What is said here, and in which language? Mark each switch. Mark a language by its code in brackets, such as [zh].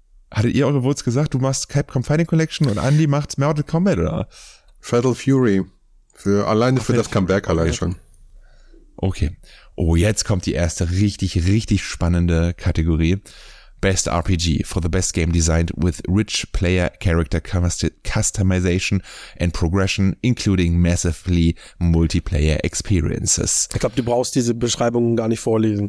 [de] Hattet ihr eure Votes gesagt, du machst Capcom Fighting Collection und Andy macht Mortal Kombat, oder? Fatal Fury. Für das Comeback allein schon. Okay. Oh, jetzt kommt die erste richtig, richtig spannende Kategorie. [en] Best RPG for the best game designed with rich player character customization and progression, including massively multiplayer experiences. [de] Ich glaube, du brauchst diese Beschreibungen gar nicht vorlesen.